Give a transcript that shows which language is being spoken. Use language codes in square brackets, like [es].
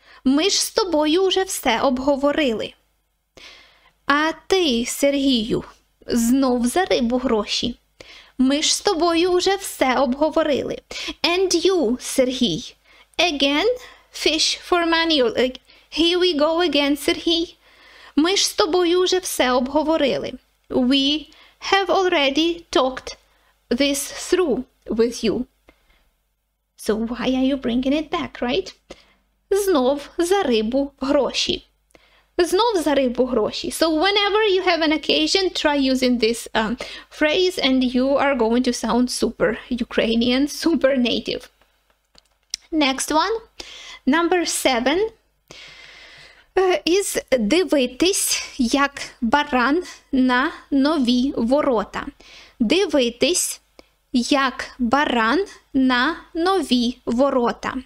[uk] Ми ж з тобою вже все обговорили. А ти, Сергію, знов за рибу гроші. Ми ж з тобою вже все обговорили. [en] And you, Сергій, again, fish for money. Here we go again, Сергій. [uk] Ми ж з тобою вже все обговорили. [en] We have already talked this through with you. So why are you bringing it back, right? [uk] Знов за рибу гроші. Знов за рибу гроші. [en] So whenever you have an occasion, try using this phrase and you are going to sound super Ukrainian, super native. Next one, number 7. [uk] Is дивитись як баран на нові ворота. Дивитись як баран на нові ворота.